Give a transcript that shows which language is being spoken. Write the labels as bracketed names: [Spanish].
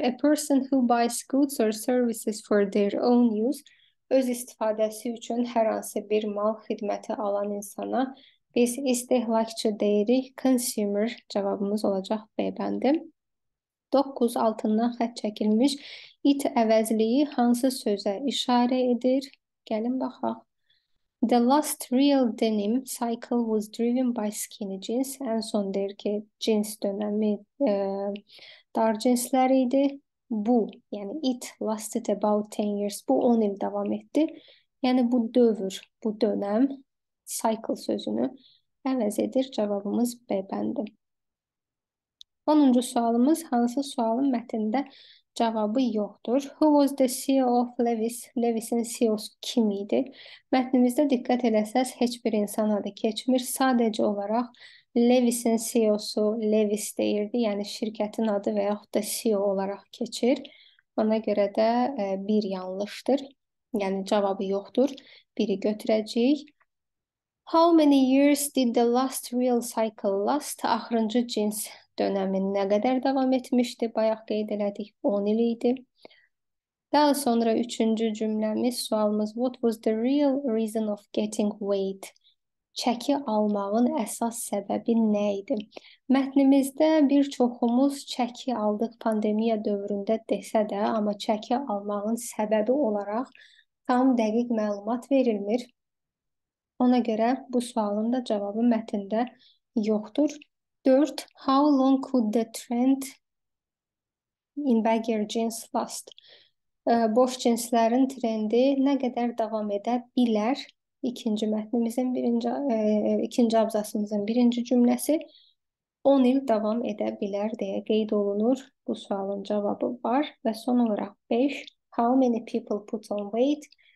[English] A person who buys goods or services for their own use. [Azerbaijani] Öz istifadəsi üçün hər hansı bir mal xidməti alan insana biz istehlakçı deyirik. Consumer cavabımız olacaq B bəndi. 9 altından xətt çəkilmiş it əvəzliyi hansı sözə işarə edir? Gəlin baxaq. [English] The last real denim cycle was driven by skinny jeans. [Azerbaijani] Ən son deyir ki, jeans dönəmi dar cinslər idi. Bu, yəni [English] it lasted about 10 years. [Azerbaijani] Bu 10 il davam etdi. Yəni bu dövr, bu dönəm cycle sözünü əvəz edir. Cavabımız B bəndi. 10-cu sualımız hansı sualın mətnində cavabı yoxdur? [English] Who was the CEO of Levi's? [Azerbaijani] Levi's'in CEO'su kim idi? Mətnimizdə diqqət eləsəz heç bir insan adı keçmir. Sadəcə olaraq Levi's'in CEO'su Levi's deyirdi. Yəni şirkətin adı və yaxud da CEO olaraq keçir. Ona görə də bir yanlışdır. Yəni cavabı yoxdur. Biri götürəcəyik. [English] How many years did the last real cycle last? [Azerbaijani] Axırıncı cins dönəmi nə qədər davam etmişdi? Bayaq qeyd elədik, 10 il idi. Daha sonra üçüncü cümləmiz, sualımız [English] What was the real reason of getting weight? [Azerbaijani] Çəki almağın əsas səbəbi nə idi? Mətnimizdə bir çoxumuz çəki aldıq pandemiya dövründə desə də, amma çəki almağın səbəbi olaraq tam dəqiq məlumat verilmir. Ona görə bu sualın da cavabı mətndə yoxdur. 4. [English] How long could the trend in baggier jeans last? [Azerbaijani] Boş cinslərin trendi nə qədər davam edə bilər? İkinci mətnimizin birinci, ikinci abzasımızın birinci cümləsi 10 il davam edə bilər deyə qeyd olunur. Bu sualın cavabı var. Və son olaraq 5. [English] How many people put on weight?